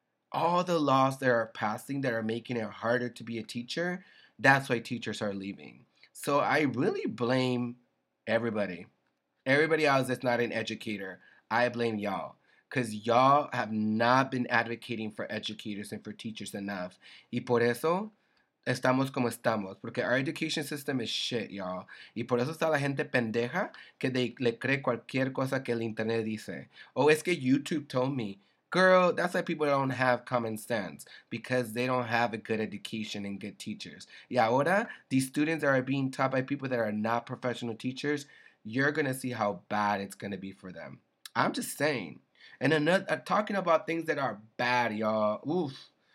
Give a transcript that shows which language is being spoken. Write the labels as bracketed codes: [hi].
[en] All the laws that are passing that are making it harder to be a teacher, that's why teachers are leaving. So I really blame everybody. Everybody else that's not an educator, I blame y'all. Because y'all have not been advocating for educators and for teachers enough. [es] Y por eso, estamos como estamos. Porque [en] our education system is shit, y'all. [es] Y por eso está la gente pendeja que le cree cualquier cosa que el internet dice. [en] Oh, [es] es que [en] YouTube told me. Girl, that's why people don't have common sense, because they don't have a good education and good teachers. [es] Y ahora, [en] these students that are being taught by people that are not professional teachers, you're going to see how bad it's going to be for them. I'm just saying. And talking about things that are bad, y'all. Oof.